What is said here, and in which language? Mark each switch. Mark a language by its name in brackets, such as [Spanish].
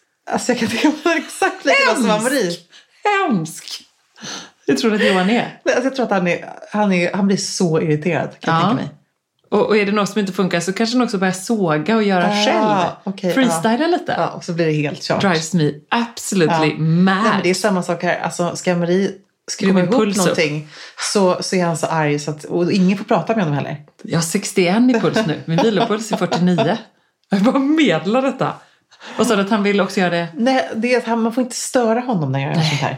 [Swedish] Alltså jag kan tänka mig exakt likadant som Amori. Hemsk! Hur tror du att Johan är? Alltså jag tror att han blir så irriterad, kan jag tänka mig. Och är det något som inte funkar så kanske han också börjar såga och göra själv. [English] Okay, [Swedish] freestyla lite. Ja, och så blir det helt kört. [English] Drives me absolutely mad. [Swedish] Nej, men det är samma sak här. Alltså ska Amori skruva ihop någonting så är han så arg. Så att, och ingen får prata med honom heller. Jag har 61 i puls nu. Min vilopuls är 49. Jag bara medlar detta. Och så att han vill också göra det. Nej, det är att man får inte störa honom när jag gör sånt här.